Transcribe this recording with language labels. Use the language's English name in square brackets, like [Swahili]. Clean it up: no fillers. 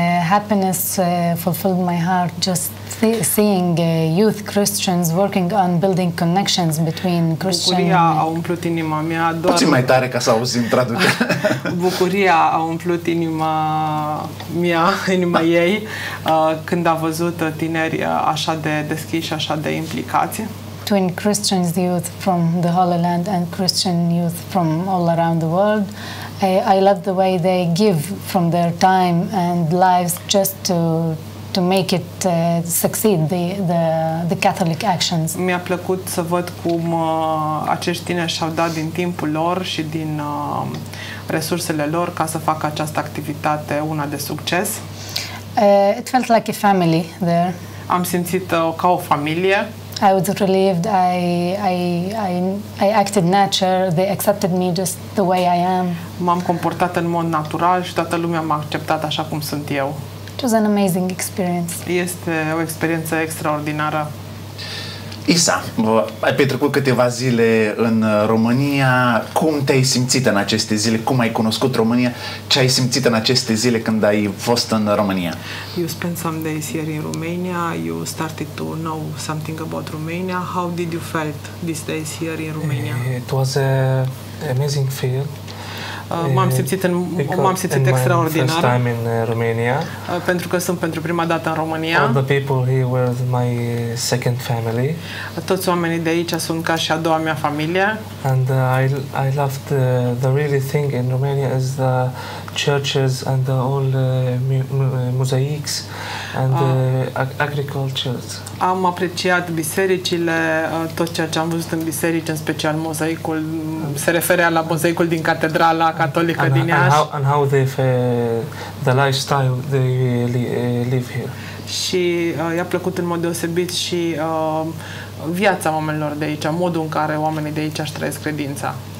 [English] Happiness fulfilled my heart just seeing youth Christians working on building connections between Christian. [Romanian] Bucuria a umplut inima mea. Doar puțin mai tare ca să auzi în traducere. Bucuria a umplut inima mea, inima ei, când a văzut tineri așa de deschiși, așa de implicați. [English] Between Christian youth from the Holy Land and Christian youth from all around the world. I love the way they give from their time and lives just to make it succeed the Catholic actions. [Romanian] Mi-a plăcut să văd cum acești tineri și-au dat din timpul lor și din resursele lor ca să facă această activitate una de succes. [English] It felt like a family there. [Romanian] Am simțit ca o familie. [English] I was relieved. I acted natural. They accepted me just the way I am. [Romanian] M-am comportat în mod natural și toată lumea m-a acceptat așa cum sunt eu. [English] It was an amazing experience. [Romanian] Este o experiență extraordinară. Isa, ai petrecut câteva zile în România. Cum te-ai simțit în aceste zile? Cum ai cunoscut România? Ce ai simțit în aceste zile când ai fost în România? [English] You spent some days here in Romania. You started to know something about Romania. How did you felt these days here in Romania? It was an amazing feel. [Romanian] M-am simțit extraordinar. [English] First time in Romania. [Romanian] Pentru că sunt pentru prima dată în România. [English] All the people here were my second family. [Romanian] Toți oamenii de aici sunt ca și a doua mea familie. [English] And I loved the really thing in Romania is the churches and the old mosaics and agricultures. [Romanian] Am apreciat bisericile, tot ceea ce am văzut în biserici, în special mozaicul, se referea la mozaicul din Catedrala Catolică din Iași. [English] And how the lifestyle they live here. [Romanian] Și i-a plăcut în mod deosebit și viața oamenilor de aici, modul în care oamenii de aici își trăiesc credința.